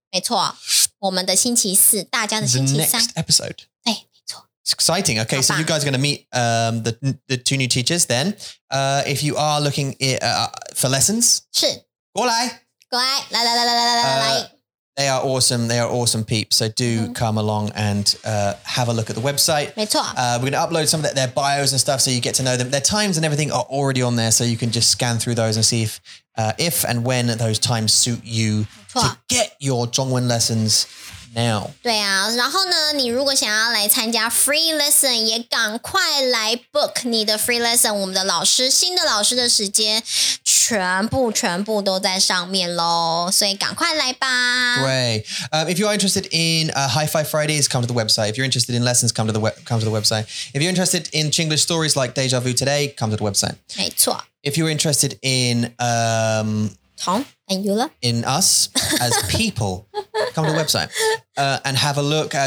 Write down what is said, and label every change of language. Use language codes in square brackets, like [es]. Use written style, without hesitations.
[zh] 没错，我们的星期四，大家的星期三。 [en] The next episode。 [zh] 对，没错。 [en] It's exciting. Okay, so you guys are going to meet the two new teachers. Then, if you are looking for lessons, [zh] 是过来，过来，来来来来来来来来。 [en] They are awesome. They are awesome peeps. So do come along and have a look at the website. [zh] 没错。 [en] We're going to upload some of their bios and stuff so you get to know them. Their times and everything are already on there, so you can just scan through those and see if and when those times suit you to get your 中文 lessons now. [zh] 对啊，然后呢，你如果想要来参加 free lesson, 也赶快来 book 你的 free lesson, 我们的老师，新的老师的时间。全部都在上面咯，所以赶快来吧。 [en] Great. If you are interested in High Five Fridays, come to the website. If you're interested in lessons, come to the website. If you're interested in Chinglish stories like Deja Vu today, come to the website. [zh] 没错。 [en] If you're interested in... Tom and Yula? In us as people, come to the website and have a look.